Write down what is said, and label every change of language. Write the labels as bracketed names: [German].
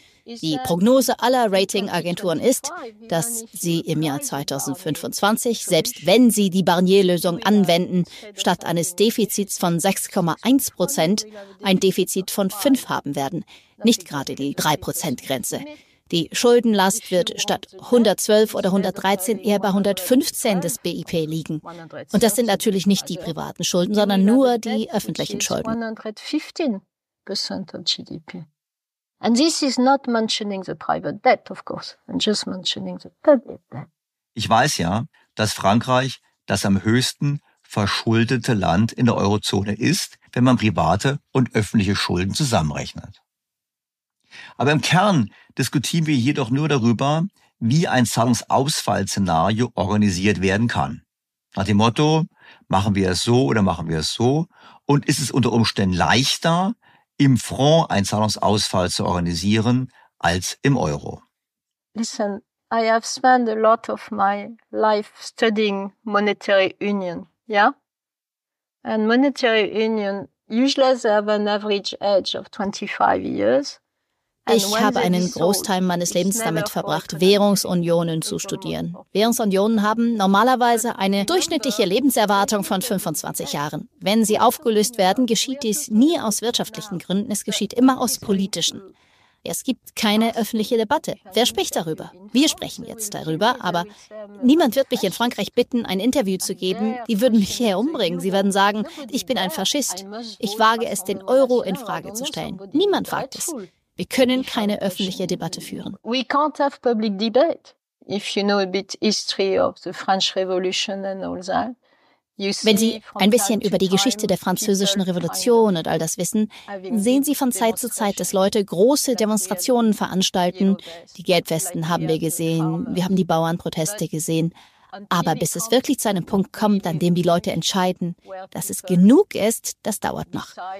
[German] Die Prognose aller Ratingagenturen ist, dass sie im Jahr 2025, selbst wenn sie die Barnier-Lösung anwenden, statt eines Defizits von 6,1% ein Defizit von 5 haben werden, nicht gerade die 3%-Grenze. Die Schuldenlast wird statt 112 oder 113 eher bei 115 des BIP liegen. Und das sind natürlich nicht die privaten Schulden, sondern nur die öffentlichen Schulden. [English] 115 5% of GDP. And this is not mentioning the private debt, of course, and just mentioning the public debt. [German] Ich weiß ja, dass Frankreich das am höchsten verschuldete Land in der Eurozone ist, wenn man private und öffentliche Schulden zusammenrechnet. Aber im Kern diskutieren wir hier doch nur darüber, wie ein Zahlungsausfallszenario organisiert werden kann. Nach dem Motto, machen wir es so oder machen wir es so? Und ist es unter Umständen leichter, im Franc einen Zahlungsausfall zu organisieren, als im Euro? [English] Listen, I have spent a lot of my life studying monetary union, yeah? And monetary union, usually they have an average age of 25 years. [German] Ich habe einen Großteil meines Lebens damit verbracht, Währungsunionen zu studieren. Währungsunionen haben normalerweise eine durchschnittliche Lebenserwartung von 25 Jahren. Wenn sie aufgelöst werden, geschieht dies nie aus wirtschaftlichen Gründen, es geschieht immer aus politischen. Es gibt keine öffentliche Debatte. Wer spricht darüber? Wir sprechen jetzt darüber, aber niemand wird mich in Frankreich bitten, ein Interview zu geben. Die würden mich hier umbringen. Sie werden sagen, ich bin ein Faschist. Ich wage es, den Euro in Frage zu stellen. Niemand wagt es. Wir können keine öffentliche Debatte führen. [English] We can't have public debate. If you know a bit history of the French Revolution and all that. [German] Wenn Sie ein bisschen über die Geschichte der französischen Revolution und all das wissen, sehen Sie von Zeit zu Zeit, dass Leute große Demonstrationen veranstalten. Die Gelbwesten haben wir gesehen, wir haben die Bauernproteste gesehen. Aber bis es wirklich zu einem Punkt kommt, an dem die Leute entscheiden, dass es genug ist, das dauert noch.